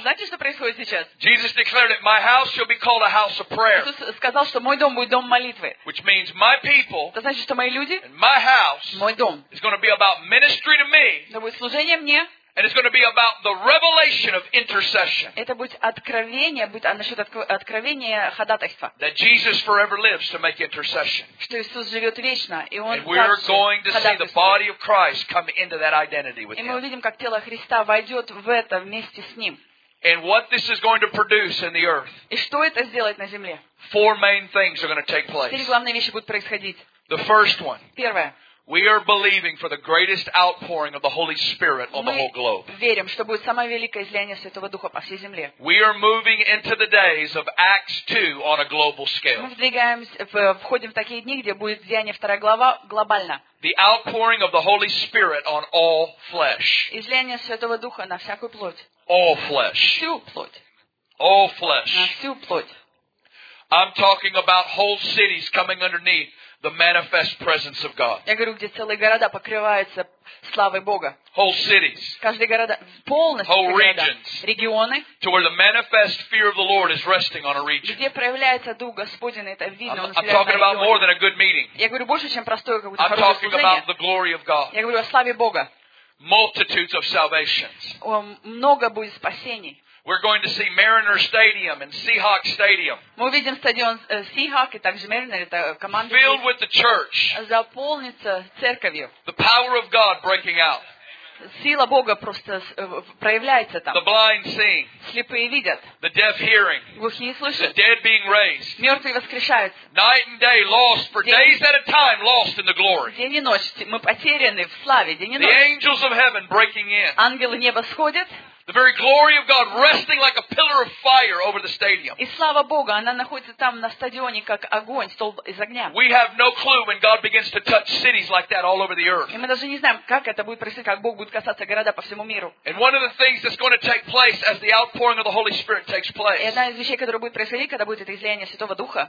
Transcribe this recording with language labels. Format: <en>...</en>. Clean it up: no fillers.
<ru>Знаете, что происходит сейчас?</ru> <en>Jesus declared it, my house shall be called a house of prayer.</en> <ru>Иисус сказал, что мой дом будет дом молитвы.</ru> <en>Which means my people.</en> <ru>Это значит, что мои люди.</ru> <en>And my house.</en> <ru>Мой дом.</ru> <en>Is going to be about ministry to me.</en> <ru>Это будет служение мне.</ru> <en>And it's going to be about the revelation of intercession.</en> <ru>Это будет откровение, будет насчет откровения ходатайства.</ru> <en>That Jesus forever lives to make intercession.</en> <ru>Что Иисус живет вечно, и он.</ru> <en>And we're going to see the body of Christ come into that identity with Him.</en> <ru>И мы увидим, как тело Христа войдет в это вместе с Ним.</ru> <en>And what this is going to produce in the earth?</en> <ru>И что это сделает на земле?</ru> <en>Four main things are going to take place.</en> <ru>Три главные вещи будут происходить.</ru> <en>The first one.</en> <ru>Первое.</ru> <en>We are believing for the greatest outpouring of the Holy Spirit on the whole globe.</en> <ru>Мы верим, что будет самое великое излияние Святого Духа по всей земле.</ru> <en>We are moving into the days of Acts 2 on a global scale.</en> <ru>Мы входим в такие дни, где будет излияние вторая глава глобально.</ru> <en>The outpouring of the Holy Spirit on all flesh.</en> <ru>Излияние Святого Духа на всякую плоть.</ru> <en>All flesh.</en> <ru>На всю плоть.</ru> <en>All flesh.</en> <ru>На всю плоть.</ru> <en>I'm talking about whole cities coming underneath the manifest presence of God.</en> <ru>Я говорю, где целые города покрываются славой Бога.</ru> <en>Whole cities.</en> <ru>Каждый город полностью.</ru> <en>Whole regions.</en> <ru>Регионы.</ru> <en>To where the manifest fear of the Lord is resting on a region.</en> <ru>Где проявляется дух Господень, это видно.</ru> <en>I'm talking about more than a good meeting.</en> <ru>Я говорю больше, чем простое какое-то хорошее</ru> <en>служение. I'm talking about the glory of God.</en> <ru>Я говорю о славе Бога.</ru> <en>Multitudes of salvations.</en> <ru>Много будет спасений.</ru> <en>We're going to see Mariners Stadium and Seahawks Stadium.</en> <ru>Мы увидим стадион Seahawk и также Mariner, это команда.</ru> <en>Filled with the church.</en> <ru>Заполнится церковью.</ru> <en>The power of God breaking out.</en> <ru>Сила Бога просто проявляется там.</ru> <en>The blind seeing.</en> <ru>Слепые видят.</ru> <en>The deaf hearing.</en> <ru>Глухие слышат.</ru> <en>The dead being raised.</en> <ru>Мертвые воскрешаются.</ru> <en>Night and day lost for days at a time lost in the glory.</en> <ru>День и ночь мы потеряны в славе. День и ночь.</ru> <en>The angels of heaven breaking in.</en> <ru>Ангелы неба сходят.</ru> <en>The very glory of God resting like a pillar of fire over the stadium.</en> <ru>И слава Бога, она находится там на стадионе как огонь, столб из огня.</ru> <en>We have no clue when God begins to touch cities like that all over the earth.</en> <ru>И мы даже не знаем, как это будет происходить, как Бог будет касаться города по всему миру.</ru> <en>And one of the things that's going to take place as the outpouring of the Holy Spirit takes place.</en> <ru>И одна из вещей, которая будет происходить, когда будет это излияние Святого Духа.</ru>